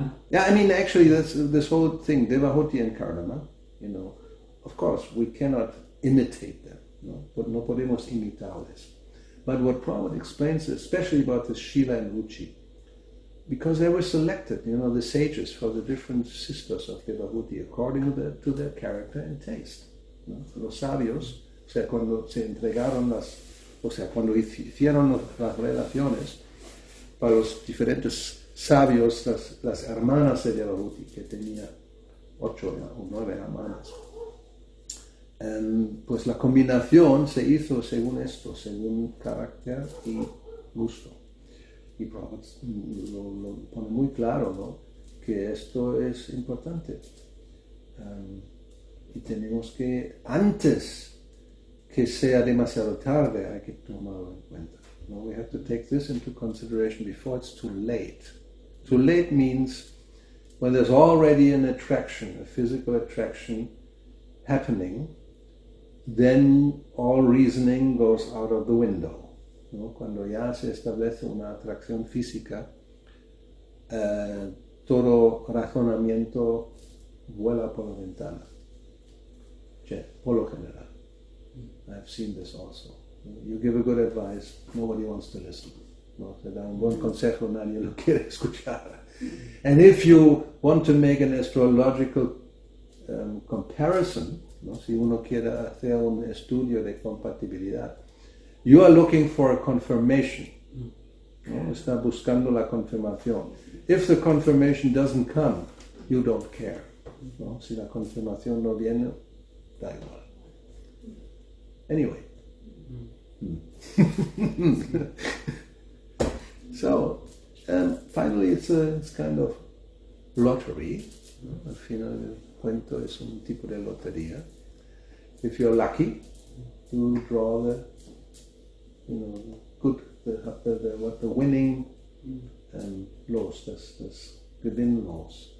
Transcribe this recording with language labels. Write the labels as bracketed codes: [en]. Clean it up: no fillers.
[en] Yeah, I mean, actually, this whole thing, Devahuti and Karnama, you know, of course, we cannot imitate them, no? But [es] no podemos imitarles. [en] But what Prabhupada explains, especially about the Shiva and Ruchi, because they were selected, you know, the sages for the different sisters of Devahuti according to their character and taste. No? [es] Los sabios, o sea, cuando se entregaron las, o sea, cuando hicieron las relaciones para los diferentes sabios, las hermanas de Devahuti, que tenía 8 o 9 hermanas. Pues la combinación se hizo según esto, según carácter y gusto. Y Prabhupada lo pone muy claro, ¿no? Que esto es importante. Y tenemos que, antes que sea demasiado tarde, hay que tomarlo en cuenta. ¿No? [en] We have to take this into consideration before it's too late. Too late means when there's already an attraction, a physical attraction happening, then all reasoning goes out of the window. ¿No? [es] Cuando ya se establece una atracción física, todo razonamiento vuela por la ventana. Che, por lo general. [en] I've seen this also. You give a good advice, nobody wants to listen. [es] No, te da un buen consejo, nadie lo quiere escuchar. [en] And if you want to make an astrological comparison, no, [es] si uno quiere hacer un estudio de compatibilidad, [en] you are looking for a confirmation. [es] No, está buscando la confirmación. [en] If the confirmation doesn't come, you don't care. [es] No, si la confirmación no viene, da igual. Anyway. [en] So, finally, it's kind of lottery. [es] Al final, el cuento es un tipo de lotería. [en] If you're lucky, you draw the, you know, good, the what the winning laws, that's within laws.